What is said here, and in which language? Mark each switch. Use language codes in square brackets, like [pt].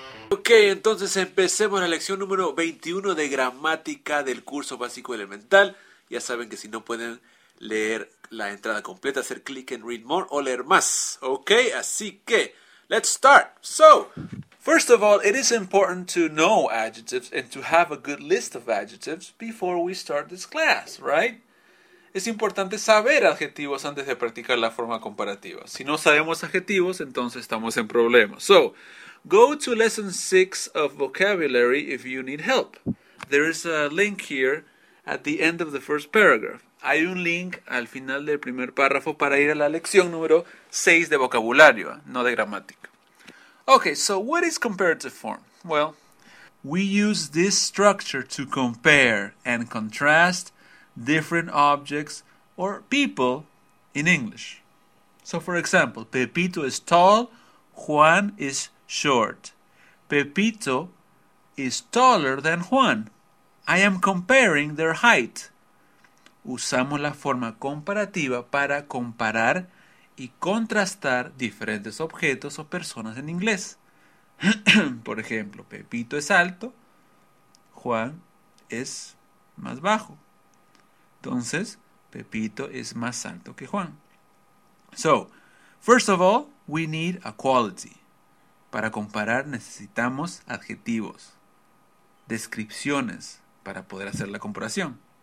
[es] Ok, entonces empecemos la lección número 21 de gramática del curso básico elemental. Ya saben que si no pueden leer la entrada completa, hacer [en] click and read more [es] o leer más. Ok, así que, [en] let's start. So, first of all, it is important to know adjectives and to have a good list of adjectives before we start this class, right? [es] Es importante saber adjetivos antes de practicar la forma comparativa. Si no sabemos adjetivos, entonces estamos en problemas. [en] So, go to lesson 6 of vocabulary if you need help. There is a link here at the end of the first paragraph. [es] Hay un link al final del primer párrafo para ir a la lección número 6 de vocabulario, no de gramática. [en] Okay, so what is comparative form? Well, we use this structure to compare and contrast different objects or people in English. So for example, Pepito is tall, Juan is short. Pepito is taller than Juan. I am comparing their height. [es] Usamos la forma comparativa para comparar y contrastar diferentes objetos o personas en inglés. Por ejemplo, Pepito es alto, Juan es más bajo. Entonces, Pepito es más alto que Juan. [en] So, first of all, we need a quality. [es] Para comparar necesitamos adjetivos, descripciones para poder hacer la comparación.